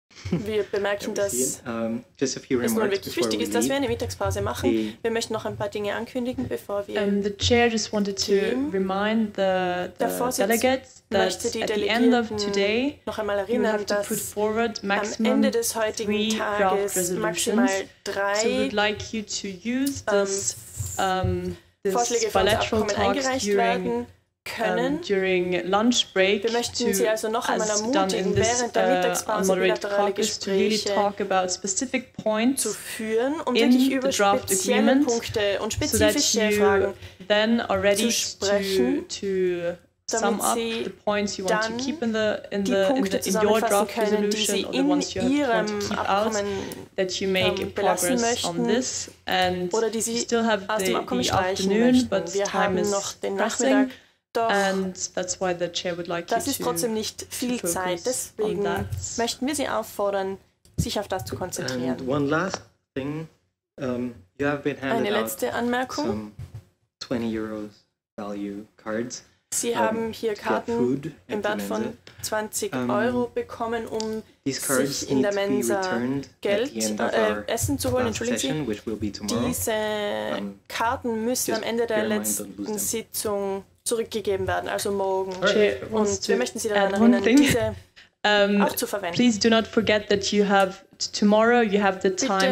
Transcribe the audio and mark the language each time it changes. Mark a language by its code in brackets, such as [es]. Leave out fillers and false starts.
[de] Wir bemerken, dass es nun wirklich wichtig ist, dass wir eine Mittagspause machen. Wir möchten noch ein paar Dinge ankündigen, bevor wir [en] The chair just wanted to remind the delegates that at the end of today [de] noch einmal erinnern, [en] you have to put forward maximum [de] Ende des heutigen Tages maximal drei [en] so we'd like you to use this, this [de] Vorschläge für unser Abkommen eingereicht werden. Können. [en] During lunch break, [de] wir möchten Sie also noch einmal ermutigen, während der Mittagspause bilaterale Gespräche zu führen, um wirklich über spezielle Punkte und spezifische Fragen zu sprechen, damit Sie dann die Punkte zusammenfassen können, die Sie in Ihrem Abkommen belassen möchten oder die Sie aus dem Abkommen streichen möchten. Wir haben noch den Nachmittag. Doch, [en] and that's why the chair would like [de] das [en] you [de] ist trotzdem nicht viel Zeit, deswegen möchten wir Sie auffordern, sich auf das zu konzentrieren. [en] And one last thing, you have been handed [de] eine letzte Anmerkung. [en] Some 20 Euros value cards, [de] Sie haben hier Karten im Wert von 20 Euro bekommen, um sich in der Mensa Geld, Essen zu holen. Entschuldigen Sie, diese Karten müssen am Ende der letzten Sitzung zurückgegeben werden, also morgen. Und wir möchten Sie daran erinnern, diese auch zu verwenden. [en] Please do not forget that you have tomorrow you have the time